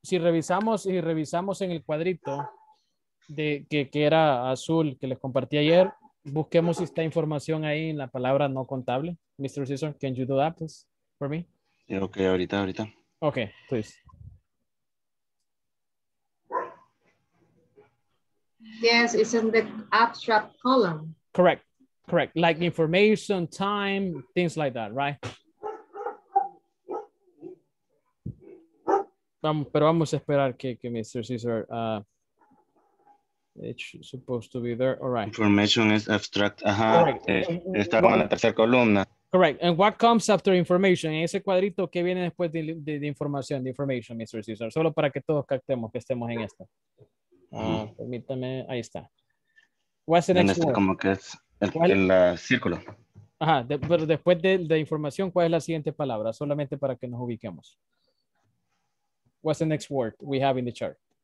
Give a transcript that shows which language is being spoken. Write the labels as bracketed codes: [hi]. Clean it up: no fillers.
[es] Si revisamos en el cuadrito de que era azul que les compartí ayer, busquemos esta información ahí en la palabra no contable. [en] Mr. Cesar, can you do that, please, for me? Yeah, okay, [es] ahorita. [en] Okay, please. Yes, it's in the abstract column. Correct. Like information, time, things like that, right? [es] Vamos a esperar que [en] Mr. Cesar, it's supposed to be there. All right. Information is abstract. [es] Uh-huh. Está en la tercera columna. [en] Correct. And what comes after information? [es] En ese cuadrito, ¿qué viene después de información? De information, Mr. Cesar. Solo para que todos captemos que estemos en esto. Permítame. Ahí está. [en] What's the next word? [es] Como que es el círculo. Ajá. Pero después de información, ¿cuál es la siguiente palabra? Solamente para que nos ubiquemos. [en] What's the next word we have in the chart?